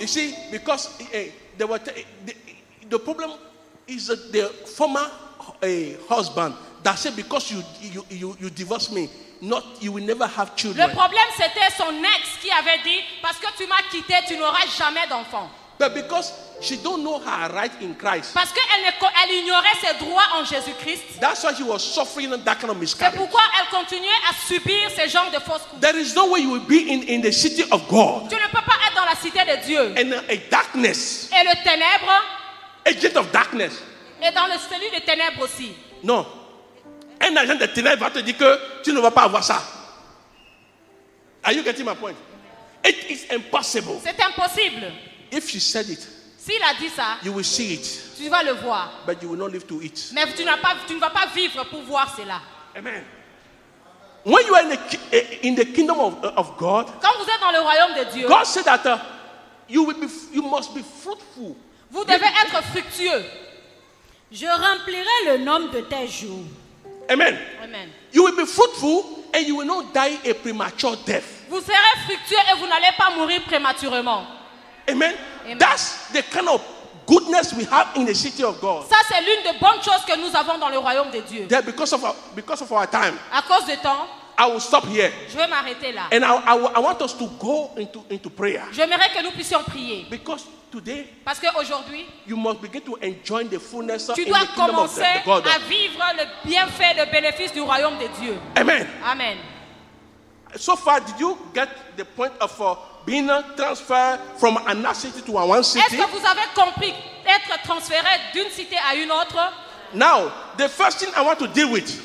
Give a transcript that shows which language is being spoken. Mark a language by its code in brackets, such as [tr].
[en] You see, because there were the problem is that the former husband that said because you divorced me, not you will never have children. [fr] Le problème c'était son ex qui avait dit parce que tu m'as quitté, tu n'auras jamais d'enfant. [en] But because she don't know her right in Christ. [fr] Parce qu'elle ignorait ses droits en Jésus-Christ. [en] That's why she was suffering that kind of miscarriage. [fr] C'est pourquoi elle continuait à subir ce genre de fausses couches. [en] There is no way you will be in the city of God. [fr] Tu ne peux pas être dans la cité de Dieu. [en] And a darkness. [fr] Et le ténèbre. [en] Agent of darkness. [fr] Et dans le celui de ténèbres aussi. Non. Un agent de ténèbres va te dire que tu ne vas pas avoir ça. [en] Are you getting my point? It is impossible. [fr] C'est impossible. [en] If she said it, [fr] s'il a dit ça, [en] you will see it, [fr] tu vas le voir. [en] But you will not live to it. [fr] Mais tu ne vas pas vivre pour voir cela. Amen. [en] When you are in the kingdom of God, [fr] quand vous êtes dans le royaume de Dieu, [en] God said that you must be fruitful. [fr] Vous devez être fructueux. Je remplirai le nombre de tes jours. Amen. Amen. [en] You will be fruitful and you will not die a premature death. [fr] Vous serez fructueux et vous n'allez pas mourir prématurément. Amen. Amen. [en] That's the kind of goodness we have in the city of God. [fr] Ça c'est l'une des bonnes choses que nous avons dans le royaume de Dieu. [en] There, because of our time. [fr] À cause de temps. [en] I will stop here. [fr] Je vais m'arrêter là. [en] And I want us to go into prayer. [fr] J'aimerais que nous puissions prier. [en] Because today. [fr] Parce que aujourd'hui. [en] You must begin to enjoy the fullness of the kingdom of God. [fr] Tu dois commencer à vivre le bienfait, le bénéfice du royaume de Dieu. Amen. Amen. [en] So far, did you get the point of? Being transferred from another city to one city. [fr] Est-ce que vous avez compris être transféré d'une cité à une autre? [en] Now, the first thing I want to deal with.